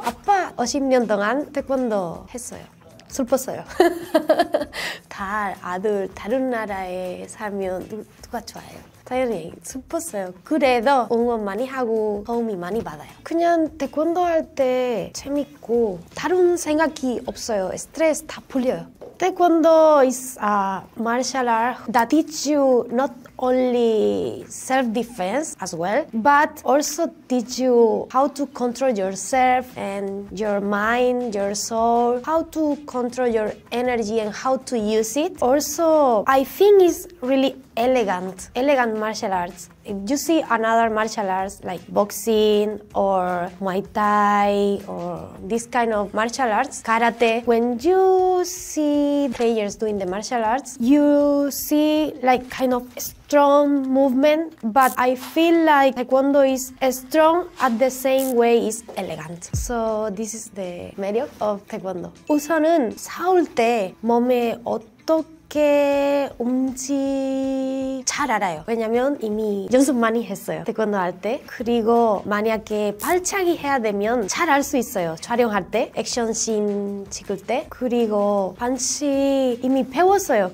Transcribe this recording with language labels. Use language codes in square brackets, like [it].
[ko] 아빠 50년 동안 태권도 했어요. 슬펐어요. 딸, 아들 다른 나라에 살면 누가 좋아해요? 당연히 슬펐어요. 그래도 응원 많이 하고 도움이 많이 받아요. 그냥 태권도 할 때 재밌고 다른 생각이 없어요. 스트레스 다 풀려요. [en] 태권도 is a martial art that teach you not only self-defense as well, but also teach you how to control yourself and your mind, your soul, how to control your energy and how to use it. Also, I think it's really elegant martial arts. If you see another martial arts like boxing or Muay Thai or this kind of martial arts, karate, when you see players doing the martial arts, you see like kind of strong movement, but I feel like taekwondo is strong at the same way is elegant. So this is the merit of taekwondo. [ko] 우선은 싸울 때 몸에 어떻게 움직 잘 알아요. 왜냐면 이미 연습 많이 했어요. 태권도 할 때. 그리고 만약에 발차기 해야 되면 잘 알 수 있어요. 촬영할 때, 액션 씬 찍을 때. 그리고 반치 이미 배웠어요.